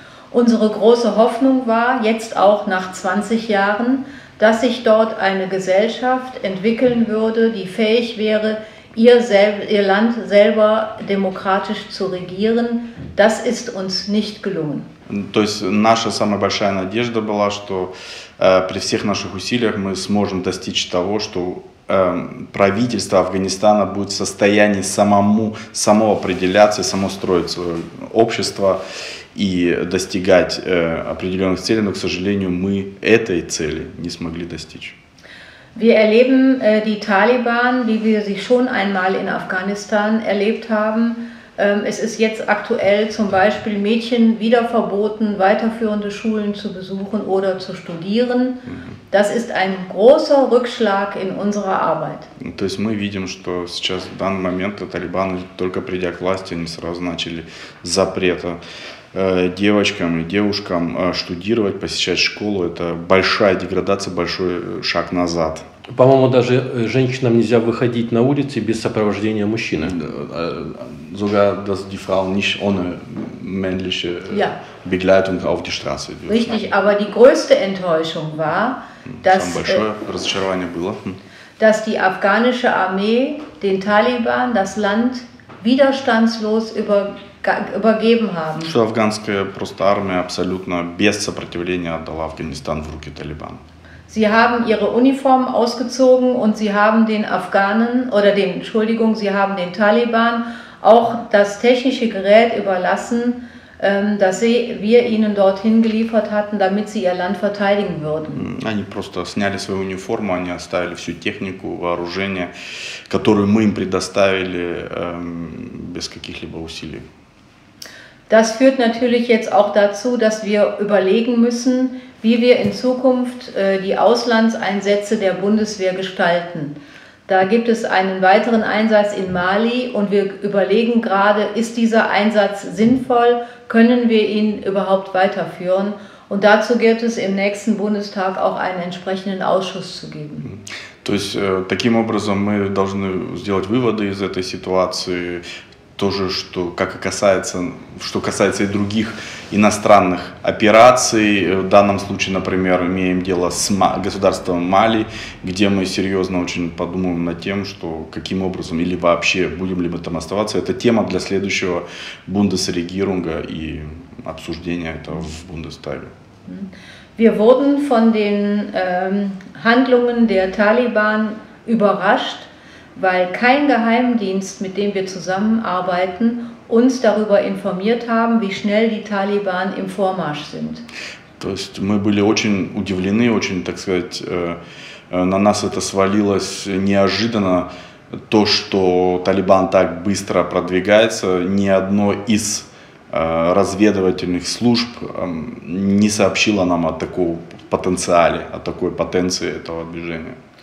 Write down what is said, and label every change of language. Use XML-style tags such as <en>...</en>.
<de>Unsere große Hoffnung war, jetzt auch nach 20 Jahren, dass sich dort eine Gesellschaft entwickeln würde, die fähig wäre, ihr Land selber demokratisch zu regieren. Das ist uns nicht gelungen.</de> <ru>То есть наша самая большая надежда была, что при всех наших усилиях мы сможем достичь того, что правительство Афганистана будет в состоянии само определяться, само строить свое общество и достигать определенных целей, но, к сожалению, мы этой цели не смогли достичь.</ru> <de>Wir erleben die Taliban, wie wir sie schon einmal in Afghanistan erlebt haben. Es ist jetzt aktuell zum Beispiel Mädchen wieder verboten, weiterführende Schulen zu besuchen oder zu studieren. Das ist ein großer Rückschlag in unserer Arbeit.</de> <ru>То есть мы видим, что сейчас в данный момент Талибаны, только придя к власти, они сразу начали запрета девочкам и девушкам студировать, посещать школу. Это большая деградация, большой шаг назад. По-моему, даже женщинам нельзя выходить на улицы без сопровождения мужчины.</ru> <de>Sogar, dass die Frauen nicht ohne männliche Begleitung auf die Straße dürfen. Richtig, aber die größte Enttäuschung war, dass die afghanische Armee den Taliban das Land widerstandslos übergeben haben.</de> <ru>Что афганская просто армия абсолютно без сопротивления отдала Афганистан в руки Талибан.</ru> <de>Sie haben ihre Uniformen ausgezogen und sie haben den Taliban auch das technische Gerät überlassen, das wir ihnen dorthin geliefert hatten, damit sie ihr Land verteidigen würden.</de> <ru>Они просто сняли свою униформу, они оставили всю технику, вооружение, которую мы им предоставили без каких-либо усилий.</ru> <de>Das führt natürlich jetzt auch dazu, dass wir überlegen müssen, wie wir in Zukunft die Auslandseinsätze der Bundeswehr gestalten. Da gibt es einen weiteren Einsatz in Mali und wir überlegen gerade, ist dieser Einsatz sinnvoll? Können wir ihn überhaupt weiterführen? Und dazu wird es im nächsten Bundestag auch einen entsprechenden Ausschuss zu geben.</de> <ru>То есть, таким образом мы должны сделать выводы из этой ситуации. Тоже, что, как и касается, что касается и других иностранных операций, в данном случае, например, имеем дело с государством Мали, где мы серьезно очень подумаем над тем, что каким образом или вообще будем ли мы там оставаться. Это тема для следующего Бундесрегирунга и обсуждения этого в Бундестаге.</ru> <de>Wir wurden von den Handlungen der Taliban überrascht, weil kein Geheimdienst, mit dem wir zusammenarbeiten, uns darüber informiert haben, wie schnell die Taliban im Vormarsch sind.</de> <ru>То есть мы были очень удивлены, очень, так сказать, на нас это свалилось неожиданно, то, что Талибан так быстро продвигается. Ни одно из разведывательных служб не сообщило нам о таком потенциале, о такой потенции этого движения.</ru>